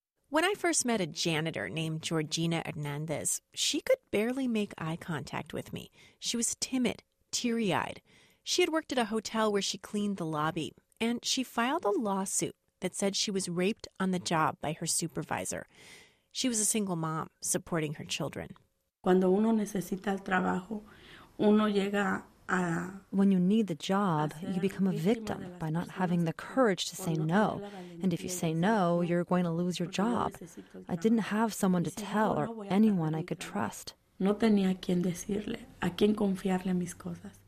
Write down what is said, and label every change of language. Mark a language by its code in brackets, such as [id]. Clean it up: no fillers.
[en] When I first met a janitor named Georgina Hernandez, she could barely make eye contact with me. She was timid, teary-eyed. She had worked at a hotel where she cleaned the lobby, and she filed a lawsuit that said she was raped on the job by her supervisor. She was a single mom supporting her children. [es] Cuando uno necesita el trabajo, uno llega a... [en] When you need the job, you become a victim by not having the courage to say no. And if you say no, you're going to lose your job. I didn't have someone to tell or anyone I could trust. [es] No tenía quien decirle, a quien confiarle mis cosas.